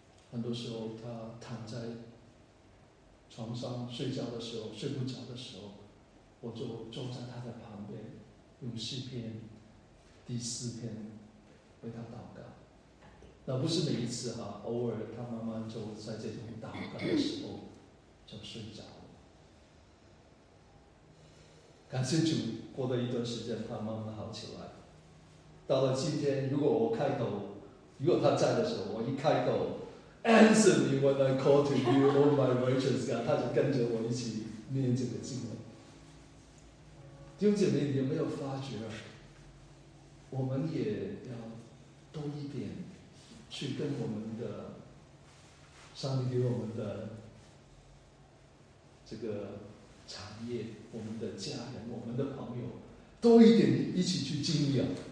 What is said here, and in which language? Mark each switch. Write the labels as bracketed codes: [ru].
[zh] 很多时候他躺在床上睡觉的时候，睡不着的时候，我就坐在他的旁边，用诗篇第四篇为他祷告。那不是每一次哈，偶尔他慢慢就在这种祷告的时候就睡着了。感谢主，过了一段时间他慢慢好起来。到了今天，如果我开口，如果他在的时候，我一开口 [en] Answer me when I call to you, O my righteous God. [zh] 他就跟着我一起念这个经文。弟兄姐妹，你有没有发觉，我们也要多一点去跟我们的上帝给我们的这个产业、我们的家人、我们的朋友多一点一起去经历啊！